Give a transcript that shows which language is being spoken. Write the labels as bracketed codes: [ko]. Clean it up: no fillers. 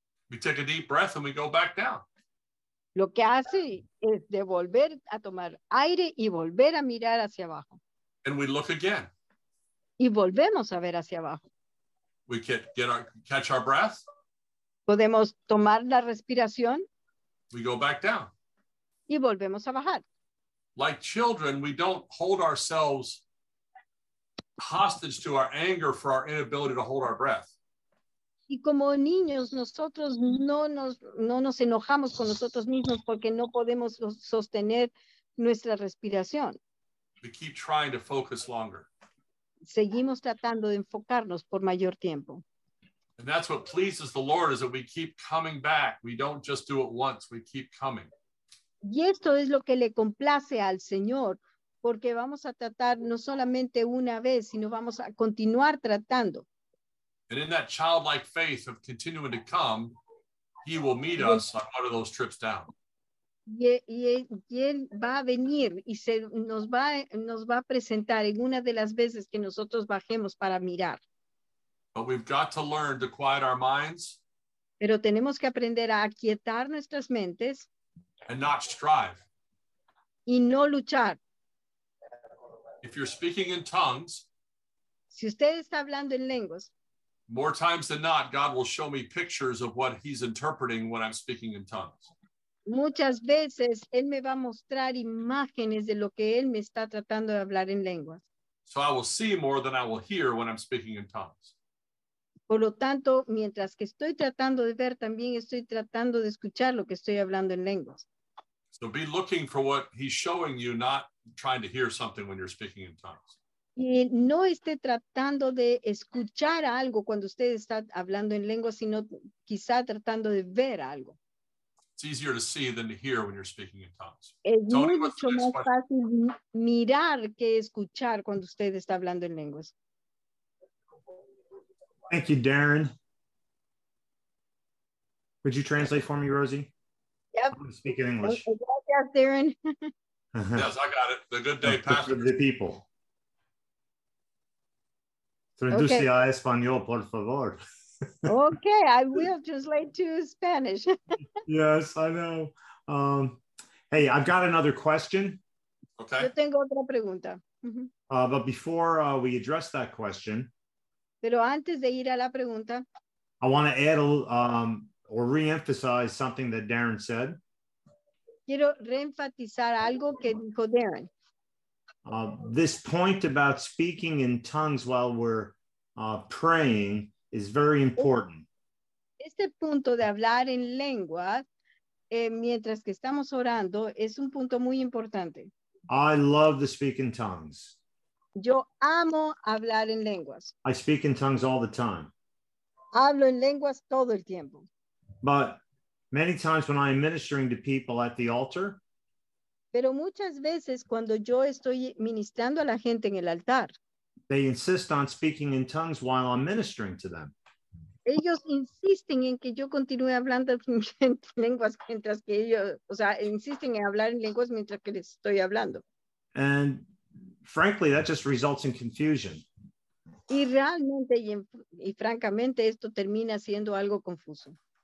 [en] We take a deep breath and we go back down. [es] Lo que hace es de volver a tomar aire y volver a mirar hacia abajo. [en] And we look again. [es] Y volvemos a ver hacia abajo. [en] We can catch our breath. [es] Podemos tomar la respiración. [en] We go back down. [es] Y volvemos a bajar. [en] Like children, we don't hold ourselves hostage to our anger for our inability to hold our breath. [es] Y como niños, nosotros no nos enojamos con nosotros mismos porque no podemos sostener nuestra respiración. [en] We keep trying to focus longer. [es] Seguimos tratando de enfocarnos por mayor tiempo. [en] And that's what pleases the Lord, is that we keep coming back. We don't just do it once, we keep coming. [es] Y esto es lo que le complace al Señor, porque vamos a tratar no solamente una vez, sino vamos a continuar tratando. [en] And in that childlike faith of continuing to come, he will meet us on one of those trips down. [es] Y él va a venir y nos va a presentar en una de las veces que nosotros bajemos para mirar. [en] But we've got to learn to quiet our minds. [es] Pero tenemos que aprender a aquietar nuestras mentes. [en] And not strive. [es] Y no luchar. [en] If you're speaking in tongues, [es] si usted está hablando en lenguas, [en] more times than not, God will show me pictures of what he's interpreting when I'm speaking in tongues. [es] Muchas veces él me va a mostrar imágenes de lo que él me está tratando de hablar en lenguas. [en] So I will see more than I will hear when I'm speaking in tongues. [es] Por lo tanto, mientras que estoy tratando de ver, también estoy tratando de escuchar lo que estoy hablando en lenguas. [en] So be looking for what he's showing you, not trying to hear something when you're speaking in tongues. [es] Y no esté tratando de escuchar algo cuando usted está hablando en lenguas, sino quizá tratando de ver algo. [en] It's easier to see than to hear when you're speaking in tongues. [es] Es mucho más fácil mirar que escuchar cuando usted está hablando en lenguas. [en] Thank you, Darren. Would you translate for me, Rosie? Yep. I'm going to speak in English. Okay, yes, Darren. Yes, I got it. The good day, Pastor. The people. [es] Traduce a español, por favor. [en] Okay, I will translate to Spanish. Yes, I know. Hey, I've got another question. Okay. [es] Yo tengo otra pregunta. [en] But before we address that question, [es] pero antes de ir a la pregunta, [en] I want to add or reemphasize something that Darren said. [es] Quiero reenfatizar algo que dijo Darren. [en] This point about speaking in tongues while we're praying is very important. [es] Este punto de hablar en lengua mientras que estamos orando es un punto muy importante. [en] I love to speak in tongues. [es] Yo amo hablar en lenguas. [en] I speak in tongues all the time. [es] Hablo en lenguas todo el tiempo. [en] But many times when I am ministering to people at the altar, [es] pero muchas veces cuando yo estoy ministrando a la gente en el altar, [en] they insist on speaking in tongues while I'm ministering to them. [es] Ellos insisten en que yo continúe hablando en lenguas mientras que ellos, o sea, insisten en hablar en lenguas mientras que les estoy hablando. [en] And frankly, that just results in confusion. [es] Y realmente y francamente esto termina siendo algo confuso.